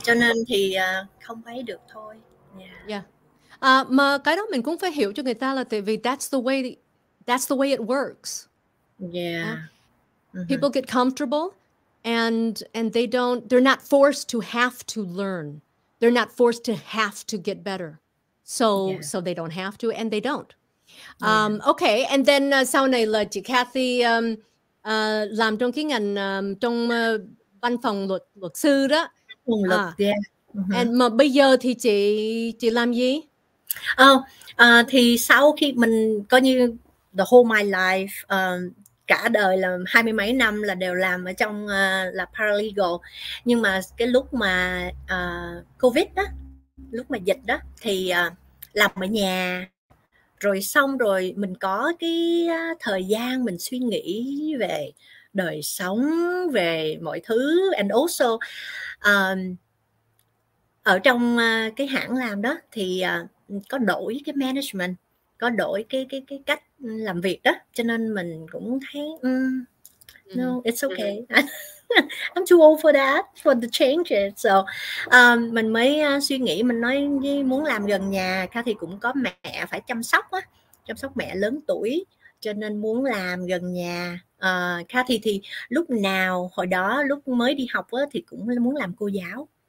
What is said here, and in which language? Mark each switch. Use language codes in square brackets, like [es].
[vi] Cho nên thì không thấy được thôi. Yeah. [en] Yeah. [vi] Mà cái đó mình cũng phải hiểu cho người ta là tại vì [en] that's the way it works. People get comfortable and they're not forced to have to learn. They're not forced to have to get better. So they don't have to and they don't. Okay, and then [vi] sau này là chị Cathy làm trong cái ngành trong văn phòng luật luật sư đó. Luật À. And mà bây giờ thì chị làm gì? Thì sau khi mình coi như [en] the whole my life, [vi] cả đời là hai mươi mấy năm là đều làm ở trong là paralegal, nhưng mà cái lúc mà COVID đó, lúc mà dịch đó thì làm ở nhà, rồi xong rồi mình có cái thời gian mình suy nghĩ về đời sống, về mọi thứ, [en] and also [vi] ở trong cái hãng làm đó thì có đổi cái management, có đổi cái cách làm việc đó, cho nên mình cũng thấy [en] no, it's okay. I'm too old for that, for the changes. [vi] So mình mới suy nghĩ, mình nói với muốn làm gần nhà, Kathy cũng có mẹ phải chăm sóc á, chăm sóc mẹ lớn tuổi, cho nên muốn làm gần nhà. Kathy thì lúc nào hồi đó lúc mới đi học á thì cũng muốn làm cô giáo.